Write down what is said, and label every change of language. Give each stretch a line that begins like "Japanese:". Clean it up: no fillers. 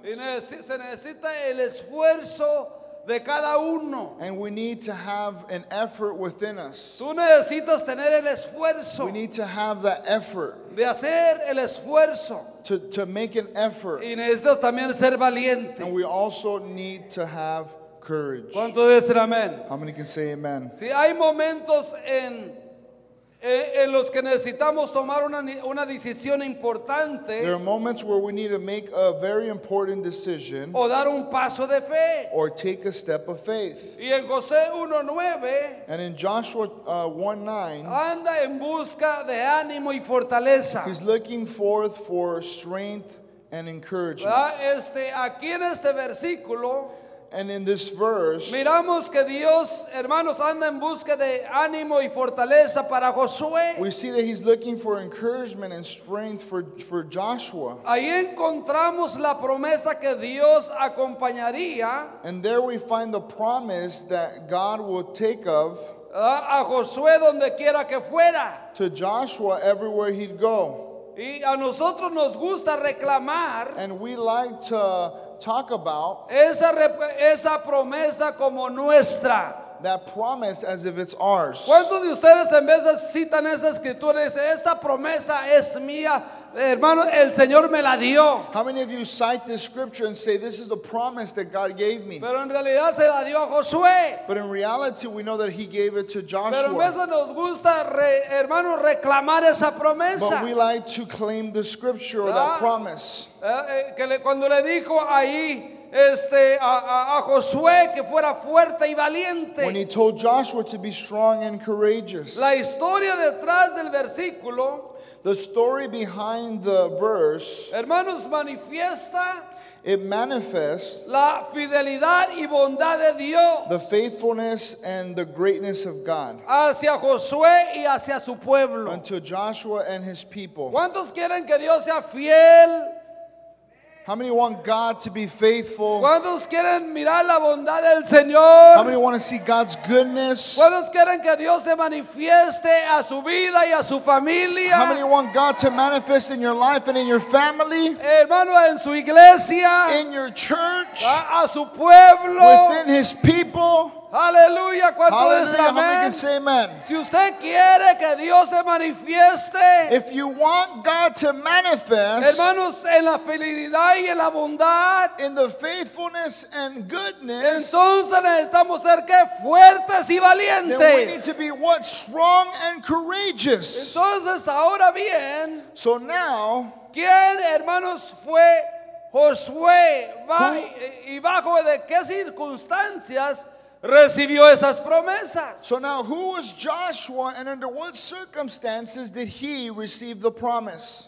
Spanish: Y se necesita el esfuerzo de cada uno.
English: And we need to have an effort within us.
Spanish: Tú necesitas tener el esfuerzo.
English: We need to have that effort.
Spanish: De hacer el esfuerzo.
English: To make an effort.
Spanish: Y necesitas también ser valiente.
English: And we also need to have courage.
Spanish: ¿Cuánto dicen amén?
English: How many can say amen?
Spanish: Si hay momentos en los que necesitamos tomar una decisión importante.
English: There are moments where we need to make a very important decision.
Spanish: O dar un paso de fe.
English: Or take a step of faith.
Spanish: Y en José 1:9.
English: And in Joshua 1:9.
Spanish: Anda en busca de ánimo y fortaleza.
English: He's looking forth for strength and encouragement.
Spanish: Aquí en este versículo.
English: And in this verse,
Spanish: miramos que Dios, hermanos, anda en busca de ánimo y fortaleza para Josué.
English: We see that he's looking for encouragement and strength for Joshua.
Spanish: Ahí encontramos la promesa que Dios acompañaría.
English: And there we find the promise that God will take of
Spanish: a Josué donde quiera que fuera.
English: To Joshua everywhere he'd go.
Spanish: Y a nosotros nos gusta reclamar.
English: And we like to talk about
Spanish: esa promesa como nuestra.
English: That promise as if it's ours.
Spanish: ¿Cuántos de ustedes en vez de citan esa escritura dice esta promesa es mía? Hermano, el Señor me la dio.
English: How many of you cite this scripture and say this is a promise that God gave me?
Spanish: Pero en realidad se la dio a Josué.
English: But in reality we know that he gave it to Joshua.
Spanish: Pero en vez de nos gusta, hermano, reclamar esa promesa.
English: But we like to claim the scripture, that promise.
Spanish: Cuando le dijo ahí a Josué que fuera fuerte y valiente.
English: When he told Joshua to be strong and courageous.
Spanish: La historia detrás del versículo.
English: The story behind the verse.
Spanish: Hermanos, manifiesta.
English: It manifests.
Spanish: La fidelidad y bondad de Dios.
English: The faithfulness and the greatness of God.
Spanish: Hacia Josué y hacia su pueblo.
English: Unto Joshua and his people.
Spanish: ¿Cuántos quieren que Dios sea fiel?
English: How many want God to be faithful?
Spanish: ¿Cuántos quieren mirar la bondad del Señor?
English: How many want to see God's goodness?
Spanish: ¿Cuántos quieren que Dios se manifieste a su vida y a su familia?
English: How many want God to manifest in your life and in your family?
Spanish: Hermano, en su iglesia.
English: In your church.
Spanish: A su pueblo.
English: Within his people.
Spanish: Aleluya, ¿cuánto dice
English: amén? How many can say amen?
Spanish: Si usted quiere que Dios se manifieste,
English: if you want God to manifest,
Spanish: hermanos, en la fidelidad y en la bondad,
English: in the faithfulness and goodness,
Spanish: entonces necesitamos ser que fuertes y valientes.
English: Then we need to be what? Strong and courageous.
Spanish: Entonces ahora bien,
English: so now,
Spanish: ¿quién, hermanos, fue Josué? ¿Y bajo de qué circunstancias recibió esas promesas?
English: So now, who was Joshua and under what circumstances did he receive the promise?